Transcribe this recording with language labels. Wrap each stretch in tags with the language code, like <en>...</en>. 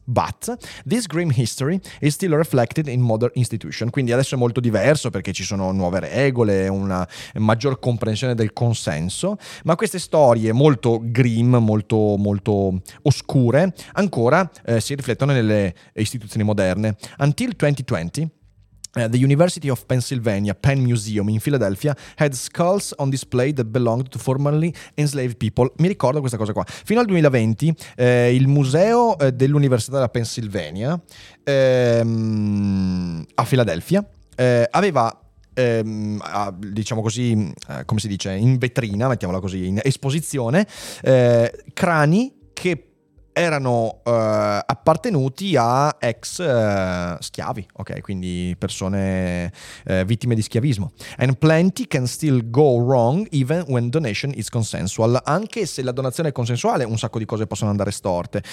<en>But this grim history is still reflected in modern institutions.</en> <it>Quindi adesso è molto diverso perché ci sono nuove regole, una maggior comprensione del consenso, ma queste storie molto grim, molto molto oscure, ancora si riflettono nelle istituzioni moderne.</it> <en>Until 2020, The University of Pennsylvania Penn Museum in Philadelphia had skulls on display that belonged to formerly enslaved people.</en> <it>Mi ricordo questa cosa qua. Fino al 2020, il museo dell'Università della Pennsylvania a Philadelphia aveva diciamo così, come si dice, in vetrina, mettiamola così, in esposizione, crani che erano appartenuti a ex schiavi, ok, quindi persone vittime di schiavismo.</it> <en>And plenty can still go wrong even when donation is consensual.</en> <it>Anche se la donazione è consensuale, un sacco di cose possono andare storte.</it>